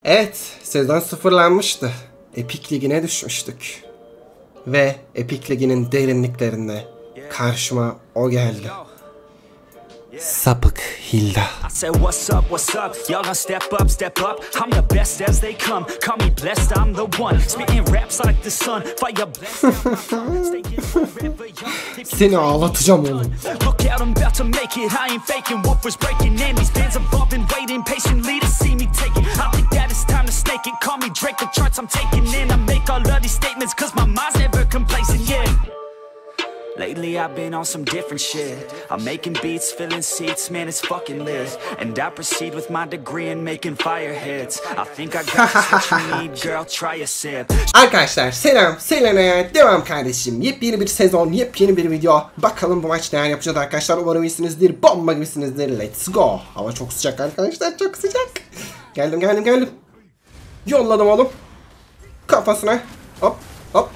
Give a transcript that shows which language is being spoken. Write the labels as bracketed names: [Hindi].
[Turkish] Evet, sezon sıfırlanmıştı. Epic Ligi'ne düşmüştük. Ve Epic Ligi'nin derinliklerinde karşıma o geldi. Sapık Hilda. [English] I said what's up, y'all gonna step up, I'm the best as they come, call me blessed, I'm the one, spitting raps like the sun, fire blessed, I'm the one, stay in look out, I'm about to make it, I ain't faking, wolf was breaking, and these bands have all been waiting, patiently to see me take it, I think that it's time to stake it, call me Drake, the charts I'm taking in, I make all of these statements, cause my mind's never complacent, yeah. Lately I've been on some different shit. I'm making beats, filling seats, man, it's fucking lit. And I proceed with my degree in making fire hits. I think I got what you need, girl, try a sip. [Turkish] Arkadaşlar selam, selam ya, devam kardeşim. Yepyeni bir sezon, yepyeni bir video. Bakalım bu maç neler yapacağız arkadaşlar. Umarım iyisinizdir, bomba gibisinizdir. [English] Let's go. [Turkish] Hava çok sıcak arkadaşlar, çok sıcak. Geldim, geldim, geldim. Yolladım oğlum. Kafasına. Hop, hop.